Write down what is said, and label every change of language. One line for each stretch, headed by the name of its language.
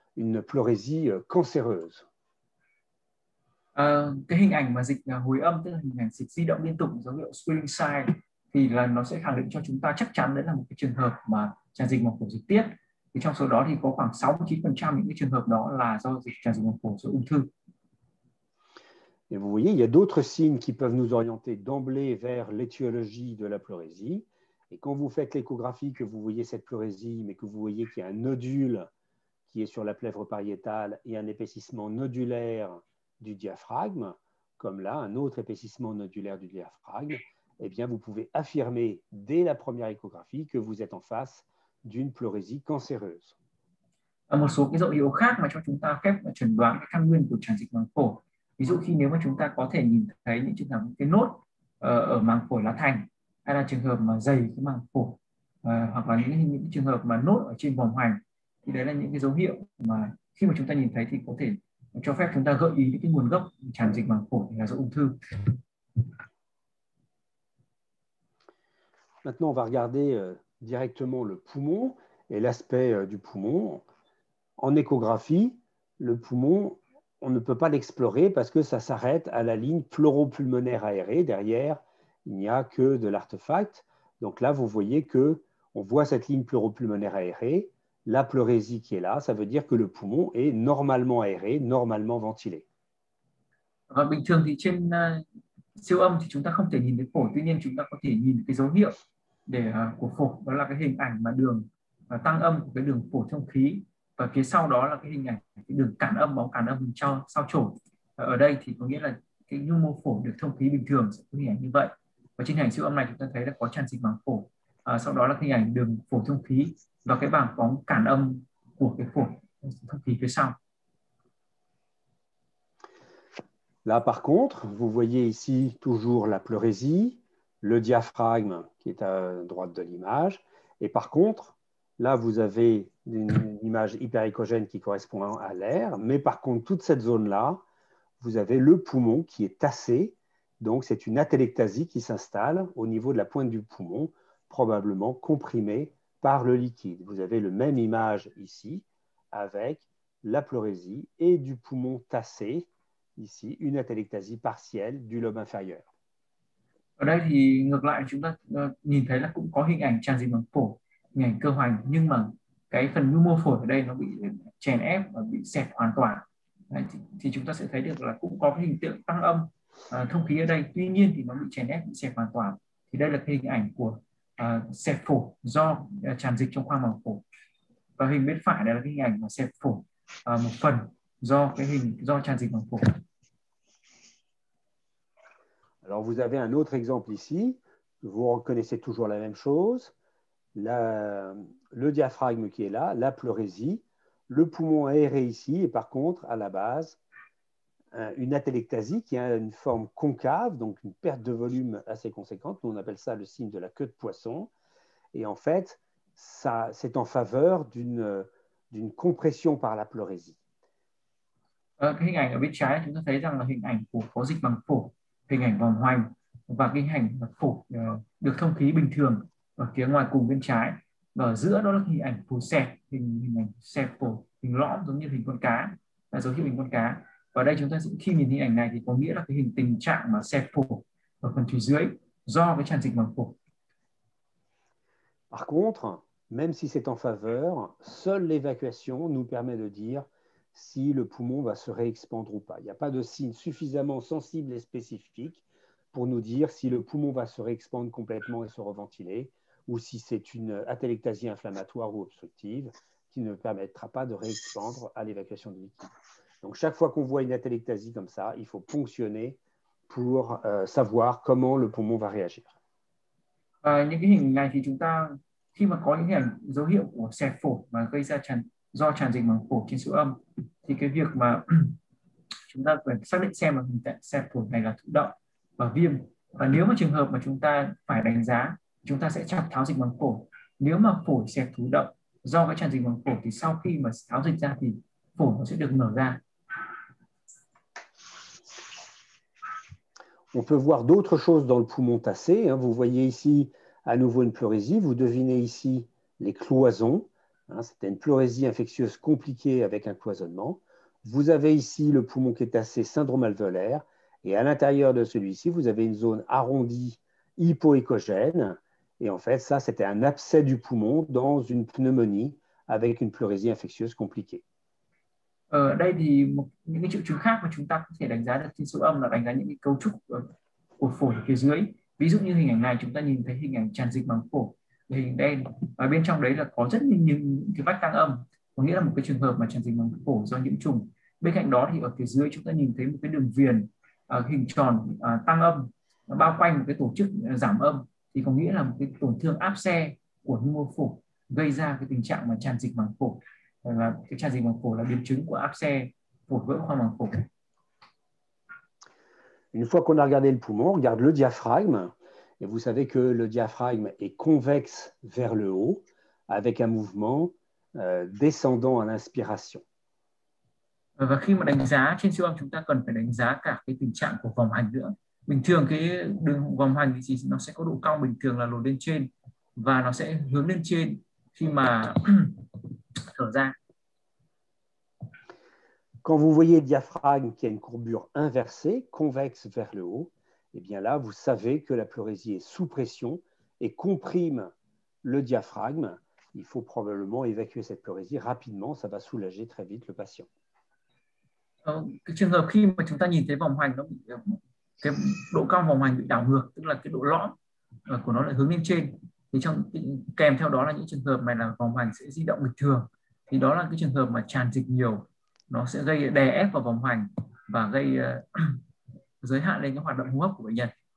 French: Une pleurésie cancéreuse.
Vietnamese: Cái hình ảnh mà dịch hồi âm, tức là hình ảnh dịch di động liên tục, dấu hiệu swelling sign, thì là nó sẽ khẳng định cho chúng ta chắc chắn đấy là một cái trường hợp mà tràn dịch màng phổi dịch tiết. Thì trong số đó thì có khoảng 69% những cái trường hợp đó là do dịch tràn dịch màng phổi, do ung thư.
French: Et vous voyez, il y a d'autres signes qui peuvent nous orienter d'emblée vers l'étiologie de la pleurésie. Et quand vous faites l'échographie, que vous voyez cette pleurésie, mais que vous voyez qu'il y a un nodule qui est sur la plèvre pariétale et un épaississement nodulaire du diaphragme, comme là, un autre épaississement nodulaire du diaphragme, eh bien vous pouvez affirmer dès la première échographie que vous êtes en face d'une pleurésie cancéreuse.
Vietnamese: Một số cái dấu hiệu khác mà cho chúng ta phép chẩn đoán cái căn nguyên của tràn dịch màng phổi, ví dụ khi nếu mà chúng ta có thể nhìn thấy những trường hợp cái nốt ở màng phổi lá thành, hay là trường hợp mà dày cái màng phổi, hoặc là những trường hợp mà nốt ở trên vòng hoành, thì đấy là những cái dấu hiệu mà khi mà chúng ta nhìn thấy thì có thể cho phép chúng ta gợi ý những cái nguồn gốc tràn dịch màng phổi là do ung thư.
French: Maintenant, on va regarder directement le poumon et l'aspect du poumon. En échographie, le poumon, on ne peut pas l'explorer parce que ça s'arrête à la ligne pleuropulmonaire aérée. Derrière, il n'y a que de l'artefact. Donc là, vous voyez que on voit cette ligne pleuropulmonaire aérée, la pleurésie qui est là, ça veut dire que le poumon est normalement aéré, normalement ventilé.
Vietnamese: Và bình thường thì trên siêu âm thì chúng ta không thể nhìn thấy phổi, tuy nhiên chúng ta có thể nhìn cái dấu hiệu để của phổi, đó là cái hình ảnh mà đường tăng âm của cái đường phổi thông khí, và phía sau đó là cái hình ảnh cái đường cản âm, bóng cản âm cho sao chổi. Ở đây thì có nghĩa là cái nhu mô phổi được thông khí bình thường sẽ có hình ảnh như vậy, và trên hình ảnh siêu âm này chúng ta thấy là có tràn dịch màng phổi, sau đó là hình ảnh đường phổi thông khí và cái bảng bóng cản âm của cái phổi thông khí phía sau.
French: Là, par contre, vous voyez ici toujours la pleurésie, le diaphragme qui est à droite de l'image. Et par contre, là, vous avez une image hyperéchogène qui correspond à l'air. Mais par contre, toute cette zone-là, vous avez le poumon qui est tassé. Donc, c'est une atélectasie qui s'installe au niveau de la pointe du poumon, probablement comprimée par le liquide. Vous avez la même image ici, avec la pleurésie et du poumon tassé. ici une atelectasie partielle du lobe inférieur.
Vietnamese: Ở đây thì ngược lại chúng ta nhìn thấy là cũng có hình ảnh tràn dịch màng phổi, hình ảnh cơ hoành, nhưng mà cái phần nhu mô phổi ở đây nó bị chèn ép và bị xẹp hoàn toàn. Đấy, thì chúng ta sẽ thấy được là cũng có cái hiện tượng tăng âm thông khí ở đây, tuy nhiên thì nó bị chèn ép, bị xẹp hoàn toàn. Thì đây là cái hình ảnh của xẹp phổi do tràn dịch trong khoang màng phổi. Và hình bên phải đây là cái hình ảnh mà xẹp phổi một phần do cái hình do tràn dịch màng phổi.
French: Alors vous avez un autre exemple ici, vous reconnaissez toujours la même chose, le diaphragme qui est là, la pleurésie, le poumon aéré ici, et par contre, à la base, une atelectasie qui a une forme concave, donc une perte de volume assez conséquente, nous on appelle ça le signe de la queue de poisson, et en fait, ça, c'est en faveur d'une compression par la pleurésie.
Vietnamese: Cái hình ảnh ở bên trái chúng ta thấy rằng là hình ảnh của có dịch màng phổi, hình ảnh vòng hoành và cái hình ảnh phổi được thông khí bình thường ở phía ngoài cùng bên trái, và ở giữa đó là hình ảnh phổi xẹp, hình ảnh xẹp phổi, hình lõm giống như hình con cá, là dấu hiệu hình con cá. Và đây chúng ta sẽ, khi nhìn hình ảnh này thì có nghĩa là cái hình tình trạng mà xẹp phổi ở phần phía dưới do cái tràn dịch màng phổi.
French: Par contre, même si c'est en faveur, seule l'évacuation nous permet de dire si le poumon va se réexpandre ou pas. Il n'y a pas de signe suffisamment sensible et spécifique pour nous dire si le poumon va se réexpandre complètement et se reventiler, ou si c'est une atelectasie inflammatoire ou obstructive qui ne permettra pas de réexpandre à l'évacuation du liquide. Donc chaque fois qu'on voit une atelectasie comme ça, il faut ponctionner pour savoir comment le poumon va réagir.
Vietnamese: Những cái hình này thì chúng ta khi mà có những cái hình dấu hiệu của xẹp phổi mà gây ra do tràn dịch màng phổi trên siêu âm, thì cái việc mà chúng ta phải xác định xem là hình tại xẹp phổi này là thụ động và viêm, và nếu mà trường hợp mà chúng ta phải đánh giá, chúng ta sẽ chọc tháo dịch màng phổi. Nếu mà phổi xẹp thụ động do cái tràn dịch màng phổi thì sau khi mà tháo dịch ra thì phổi nó sẽ được mở ra.
French: On peut voir d'autres choses dans le poumon tassé. Vous voyez ici à nouveau une pleurésie. Vous devinez ici les cloisons. C'était une pleurésie infectieuse compliquée avec un cloisonnement. Vous avez ici le poumon qui est tassé, syndrome alvéolaire. Et à l'intérieur de celui-ci, vous avez une zone arrondie hypoéchogène. Et en fait, ça, c'était un abcès du poumon dans une pneumonie avec une pleurésie infectieuse compliquée.
Vietnamese: Ở đây thì những cái triệu chứng khác mà chúng ta có thể đánh giá được trên siêu âm là đánh giá những cái cấu trúc của phổi phía dưới. Ví dụ như hình ảnh này, chúng ta nhìn thấy hình ảnh tràn dịch màng phổi hình đen, và bên trong đấy là có rất nhiều những cái vách tăng âm, có nghĩa là một cái trường hợp mà tràn dịch màng phổi do nhiễm trùng. Bên cạnh đó thì ở phía dưới chúng ta nhìn thấy một cái đường viền hình tròn tăng âm bao quanh một cái tổ chức giảm âm, thì có nghĩa là một cái tổn thương áp xe của nhu mô phổi gây ra cái tình trạng mà tràn dịch màng phổi. Là cái tràn dịch màng phổi là biến chứng của áp xe phổi vỡ khoang màng phổi.
French: Une fois qu'on a regardé le poumon, on regarde le diaphragme. Et vous savez que le diaphragme est convexe vers le haut, avec un mouvement descendant à l'inspiration.
Vietnamese: Và khi mà đánh giá trên siêu âm, chúng ta cần phải đánh giá cả cái tình trạng của vòng hoành nữa. Bình thường cái đường vòng hoành thì nó sẽ có độ cong bình thường là lồi lên trên và nó sẽ hướng lên trên khi mà thở ra.
French: Quand vous voyez le diaphragme qui a une courbure inversée, convexe vers le haut, eh bien là, vous savez que la pleurésie est sous pression et comprime le diaphragme. Il faut probablement évacuer cette pleurésie rapidement, ça va soulager très vite le patient.
Vietnamese: Cái trường hợp khi mà chúng ta nhìn thấy vòng hoành nó bị cái độ cong vòng hoành bị đảo ngược, tức là cái độ lõm của nó lại hướng lên trên, thì trong kèm theo đó là những trường hợp mà là vòng hoành sẽ di động bình thường, thì đó là cái trường hợp mà tràn dịch nhiều, nó sẽ gây đè ép vào vòng hoành và gây giới hạn lên cái hoạt động hô hấp của bệnh nhân.